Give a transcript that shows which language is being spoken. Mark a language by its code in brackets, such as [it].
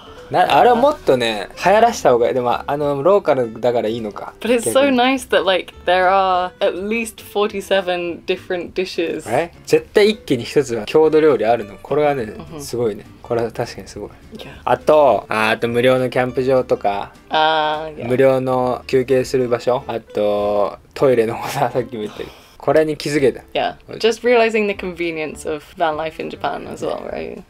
[ja] なあれはもっとね、流行らした方がいい。でも、あの、ローカルだからいいのか。 [en] But it's so nice that, like, there are at least 47 different dishes. [ja] え？絶対一気に一つは郷土料理あるの。これはね、すごいね。これは確かにすごい。 [en] Yeah. [ja] あと、あと無料のキャンプ場とか、 [en] yeah. [ja] 無料の休憩する場所、あと、トイレの方ささっきも言ったり。これに気づけた。 [en] Yeah, just realizing the convenience of van life in Japan as well, right?